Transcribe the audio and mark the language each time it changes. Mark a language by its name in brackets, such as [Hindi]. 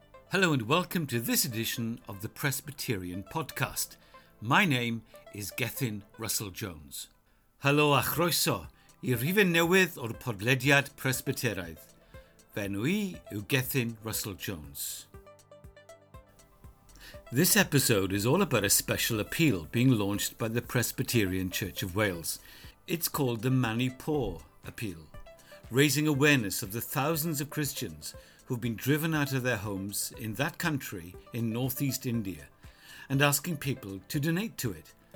[English] Hello and welcome to this edition of the Presbyterian Podcast. My name is Gethin Russell-Jones. [Welsh] Helo a chroeso i rifyn newydd o'r podlediad Presbyteraidd. Fenw i yw Gethin Russell-Jones. [English] This episode is all about a special appeal being launched by the Presbyterian Church of Wales. It's called the Manu Poor Appeal, raising awareness of the thousands of Christians who've been driven out of their homes in that country in northeast India and asking people to donate to it.